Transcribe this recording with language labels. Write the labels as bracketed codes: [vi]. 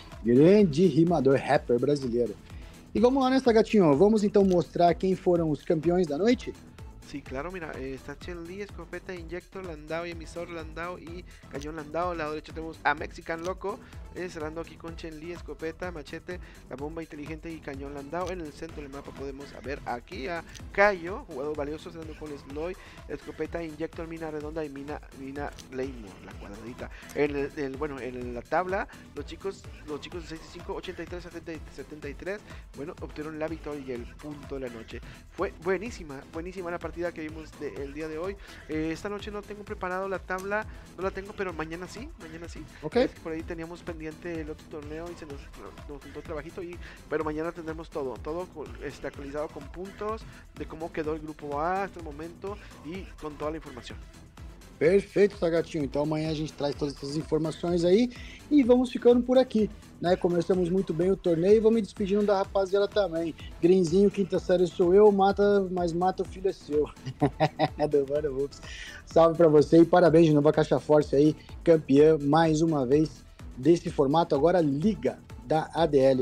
[pt] Grande rimador, rapper brasileiro. E vamos lá, nessa gatinho. Vamos então mostrar quem foram os campeões da noite? [es] Sim, sí, claro, mira. Está Chen-Li, escopeta, injector, Landau e emissor, Landau e canhão Landau. [pt] Lado direito temos a Mexican Loco. [es] Cerrando aqui com Chen-Li, escopeta, machete, la bomba inteligente e canhão Landau. En el centro del mapa podemos ver aquí a Cayo, jugador valioso, cerrando con Sloy, escopeta, inyector, mina redonda y mina Leymore, la cuadradita. En la tabla, los chicos de 65, 83, 73, bueno, obtuvieron la victoria y el punto de la noche. Fue buenísima la partida que vimos el día de hoy. Esta noche no tengo preparado la tabla, no la tengo, pero mañana sí. Okay. Por ahí teníamos pendiente el otro torneo y se nos juntó trabajito, pero mañana tendremos todo actualizado con puntos de cómo quedó el grupo A hasta el momento y con toda la información. Perfecto, Sagatinho. [pt] Então amanhã a gente traz todas essas informações aí e vamos ficando por aqui, né? Começamos muito bem o torneio e vamos me despedindo da rapaziada também. Grinzinho, quinta série sou eu, mata o filho é seu. Salve pra você e parabéns de novo a Caixa Force aí, campeã mais uma vez desse formato, agora Liga da ADL.